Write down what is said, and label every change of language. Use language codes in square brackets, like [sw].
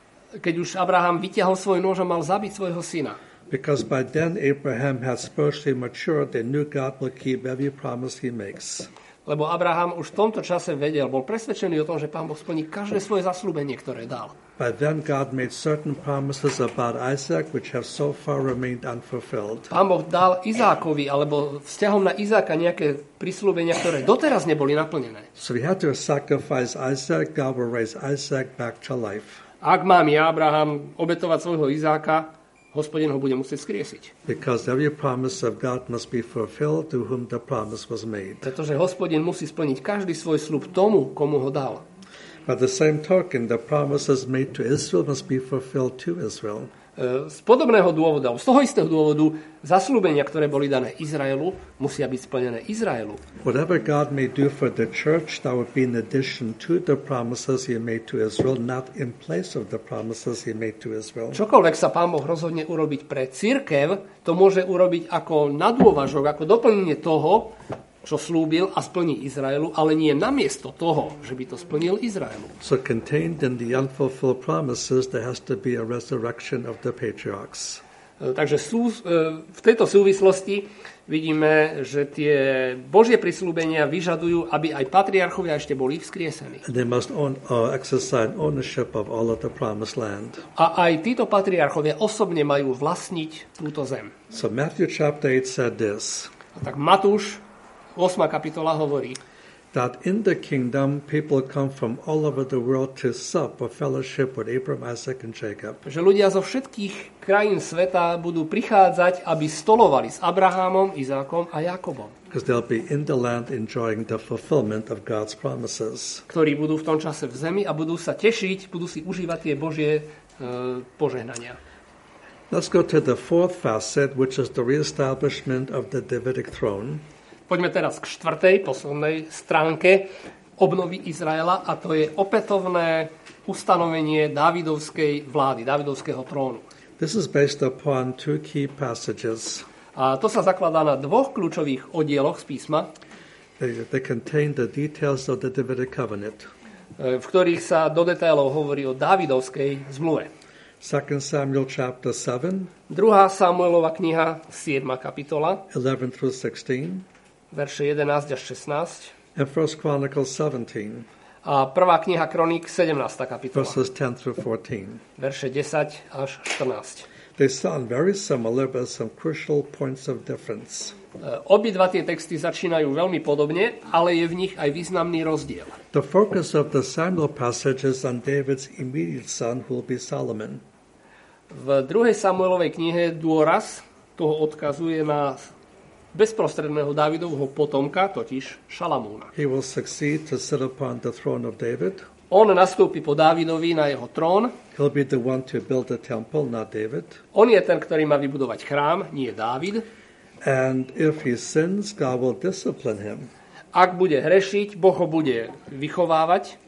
[sk] Keď už Abraham vytiahol svoj nôž a mal zabiť svojho syna. [en] Because by then Abraham had spiritually matured and knew God will keep every promise he makes. [sk] Lebo Abraham už v tomto čase vedel, bol presvedčený o tom, že Pán Boh splní každé svoje zasľúbenie, ktoré dal. [en] By then God made certain promises about Isaac which have so far remained unfulfilled. [sk] Pán Boh dal Izákovi alebo vzťahom na Izáka nejaké prisľúbenia, ktoré doteraz neboli naplnené. [en] So he had to sacrifice Isaac, God will raise Isaac back to life. [sk] Ak mám ja, Abraham, obetovať svojho Izáka, Hospodin ho bude musieť skriesiť. [en] Because every promise of God must be fulfilled to whom the promise was made. [sk] Pretože Hospodin musí splniť každý svoj sľub tomu, komu ho dal. [en] By the same token, the promises made to Israel must be fulfilled to Israel. [sk] Z podobného dôvodu, z toho istého dôvodu, zasľúbenia, ktoré boli dané Izraelu, musia byť splnené Izraelu. [en] Whatever God may do for the church, that would be in addition to the promises he made to Israel, not in place of the promises he made to Israel. [sk] Čokoľvek sa Pán Boh rozhodne urobiť pre cirkev, to môže urobiť ako nadôvažok, ako doplnenie toho, čo slúbil a splní Izraelu, ale nie namiesto toho, že by to splnil Izraelu. [en] So contained in the unfulfilled promises there has to be a resurrection of the patriarchs. [sk] Takže v tejto súvislosti vidíme, že tie Božie prisľúbenia vyžadujú, aby aj patriarchovia ešte boli vzkriesení. [en] They must exercise ownership of all of the promised land. [sk] A aj títo patriarchovia osobne majú vlastniť túto zem. [en] So Matthew chapter 8 said this. [sk] A tak Matúš 8. kapitola hovorí, [en] that in the kingdom people come from all over the world to sup or fellowship with Abraham, Isaac and Jacob. [sk] Že ľudia zo všetkých krajín sveta budú prichádzať, aby stolovali s Abrahamom, Izákom a Jakobom. [en] Because they'll be in the land enjoying the fulfillment of God's promises. [sk] Ktorí budú v tom čase v zemi a budú sa tešiť, budú si užívať tie Božie požehnania. [en] Let's go to the fourth facet, which is the reestablishment of the Davidic throne. [sk] Poďme teraz k štvrtej, poslednej stránke obnovy Izraela a to je opätovné ustanovenie Dávidovskej vlády, Dávidovského trónu. [en] This is based upon two key passages. [sk] A to sa zakladá na dvoch kľúčových oddieloch z písma. [en] They contain the details of the Davidic covenant. [sk] V ktorých sa do detailov hovorí o Dávidovskej zmluve. [en] 2. Samuel chapter 7. [sk] 2. Samuelova kniha, 7. kapitola. [en] 11 through 16. [sk] Verše 11 až 16. [en] And First Chronicles 17. [sk] A prvá kniha Kroník 17. kapitola. [en] Verses 10 through 14. [sk] Verše 10 až 14. [en] They sound very similar, but some crucial points of difference. [sk] Obidva tie texty začínajú veľmi podobne, ale je v nich aj významný rozdiel. [en] The focus of the Samuel passage is on David's immediate son who will be Solomon. [sk] V druhej Samuelovej knihe dôraz toho odkazuje na bezprostredného Dávidovho potomka, totiž Šalamúna. [en] He will succeed to sit upon the throne of David. [sk] On nastúpi po Dávidovi na jeho trón. [en] He'll be the one to build the temple, not David. [sk] On je ten, ktorý má vybudovať chrám, nie Dávid. [en] And if he sins, God will discipline him. [sk] Ak bude hrešiť, Boh ho bude vychovávať.